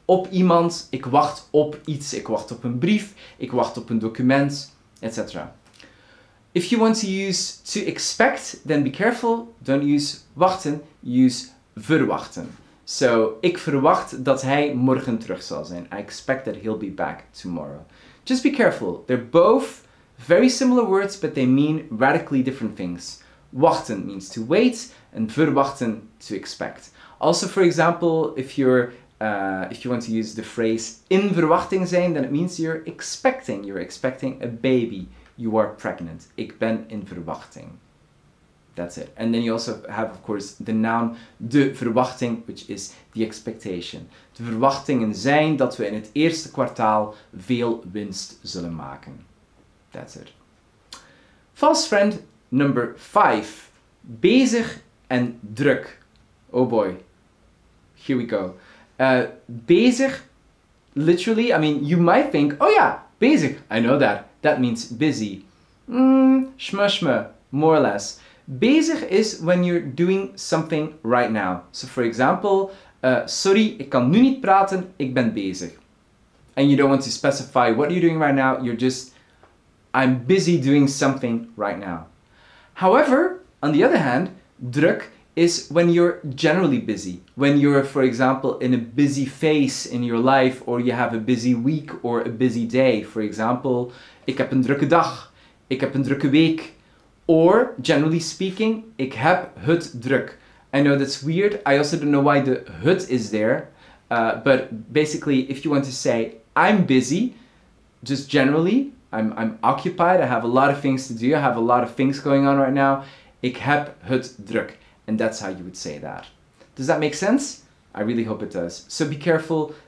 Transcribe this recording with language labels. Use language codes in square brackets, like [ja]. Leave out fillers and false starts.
[nl] op iemand, ik wacht op iets, ik wacht op een brief, ik wacht op een document, etc. [en] If you want to use to expect, then be careful, don't use wachten, use verwachten. [nl] So, ik verwacht dat hij morgen terug zal zijn. [en] I expect that he'll be back tomorrow. Just be careful. They're both very similar words, but they mean radically different things. Wachten means to wait, and verwachten, to expect. Also, for example, if you want to use the phrase in verwachting zijn, then it means you're expecting. You're expecting a baby. You are pregnant. [nl] Ik ben in verwachting. [en] That's it. And then you also have, of course, the noun de verwachting, which is the expectation. [nl] De verwachtingen zijn dat we in het eerste kwartaal veel winst zullen maken. [en] That's it. False friend number 5. Bezig en druk. Oh boy. Here we go. Bezig, literally, I mean, you might think, oh yeah, bezig, I know that. That means busy. Schmushme, more or less. Bezig is when you're doing something right now. So for example, sorry, [nl] ik kan nu niet praten, ik ben bezig. [en] And you don't want to specify what you're doing right now, you're just, I'm busy doing something right now. However, on the other hand, druk is when you're generally busy. When you're, for example, in a busy phase in your life, or you have a busy week or a busy day. For example, [nl] ik heb een drukke dag, ik heb een drukke week. [en] Or, generally speaking, [nl] ik heb het druk. [en] I know that's weird. I also don't know why the het is there. But basically, if you want to say, I'm busy, just generally, I'm occupied, I have a lot of things to do, I have a lot of things going on right now, [nl] ik heb het druk. [en] And that's how you would say that. Does that make sense? I really hope it does. So be careful.